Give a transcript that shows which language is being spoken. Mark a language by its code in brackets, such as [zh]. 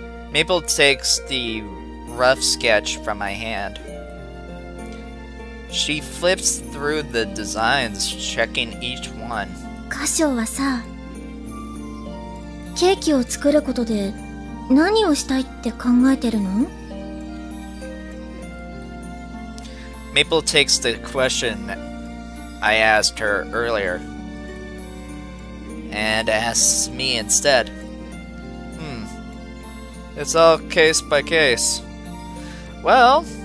[en] Maple takes the rough sketch from my hand. She flips through the designs, checking each one. [ja] カショウはさ。ケーキを作ることで何をしたいって考えてるの? [en] Maple takes the question I asked her earlier and asks me instead. It's all case by case. Well,